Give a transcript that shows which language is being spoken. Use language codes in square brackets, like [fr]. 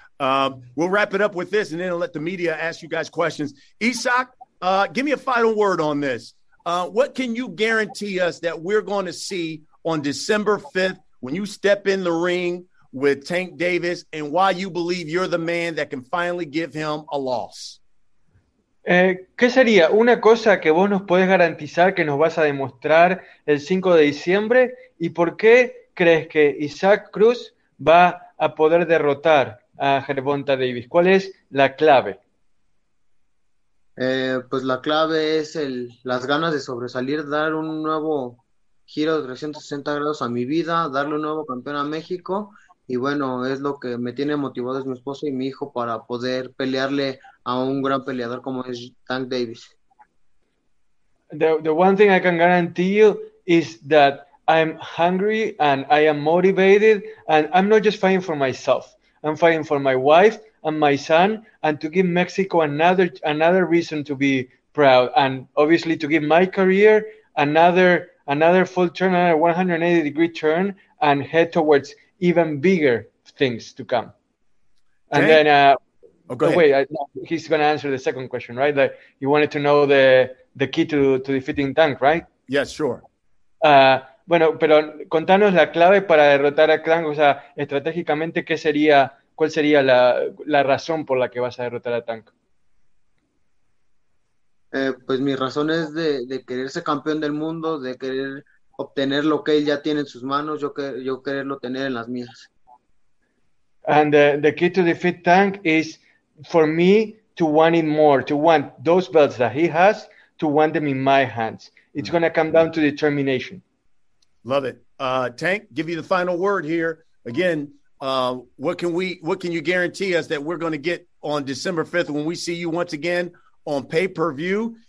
[en] We'll wrap it up with this and then I'll let the media ask you guys questions. Issac, give me a final word on this. What can you guarantee us that we're going to see on December 5th when you step in the ring with Tank Davis and why you believe you're the man that can finally give him a loss? [es] ¿Qué sería una cosa que vos nos podés garantizar que nos vas a demostrar el 5 de diciembre? ¿Y por qué crees que Issac Cruz va a poder derrotar a Gervonta Davis? ¿Cuál es la clave? Pues la clave es las ganas de sobresalir, dar un nuevo giro de 360 grados a mi vida, darle un nuevo campeón a México. Y bueno, es lo que me tiene motivado, es mi esposo y mi hijo, para poder pelearle a un gran peleador como es Tank Davis. [en] The one thing I can guarantee you is that I'm hungry and I am motivated and I'm not just fighting for myself. I'm fighting for my wife and my son and to give Mexico another reason to be proud and obviously to give my career another full turn, another 180 degree turn and head towards even bigger things to come. And okay. He's going to answer the second question, right? Like you wanted to know the key to defeating Tank, right? Yes, yeah, sure. [es] Bueno, pero contanos la clave para derrotar a Tank, o sea, estratégicamente, ¿cuál sería la razón por la que vas a derrotar a Tank? Pues mi razón es de querer ser campeón del mundo, de querer obtener lo que él ya tiene en sus manos, yo quererlo tener en las mías. [en] And the key to defeat Tank is for me to want it more, to want those belts that he has, to want them in my hands. It's going to come down to determination. Love it. Tank, give you the final word here. Again, what can you guarantee us that we're going to get on December 5th when we see you once again on pay-per-view?